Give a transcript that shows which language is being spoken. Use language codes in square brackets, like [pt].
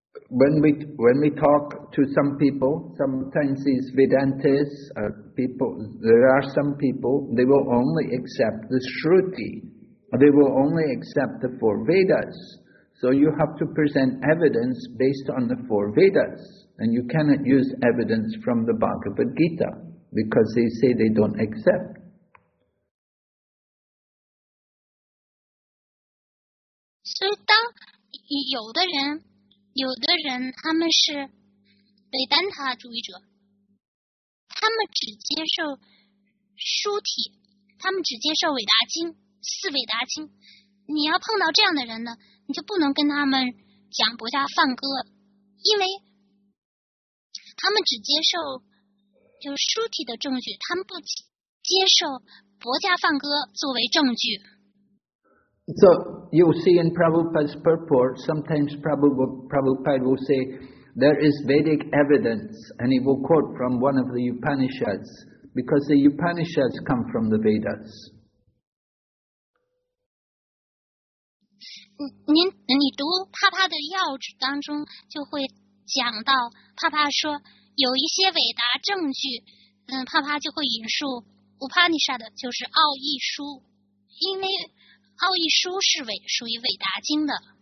[en] when we talk to some people, sometimes these Vedantists, people, there are some people, they will only accept the Shruti. They will only accept the four Vedas. So you have to present evidence based on the four Vedas. And you cannot use evidence from the Bhagavad Gita because they say they don't accept. [zh] So, 当有的人，有的人他们是维丹塔主义者，他们只接受书体，他们只接受伟达经，四伟达经。你要碰到这样的人呢，你就不能跟他们讲博家梵歌，因为他们只接受就是书体的证据，他们不接受博家梵歌作为证据。 [en] So you see in Prabhupada's purport, sometimes Prabhupada will say, there is Vedic evidence, and he will quote from one of the Upanishads, because the Upanishads come from the Vedas. [zh] 你读帕帕的要旨当中就会讲到，帕帕说有一些伟大证据，帕帕就会引述 Upanishad 的就是奥义书，因为奥义书是属于伟达经的。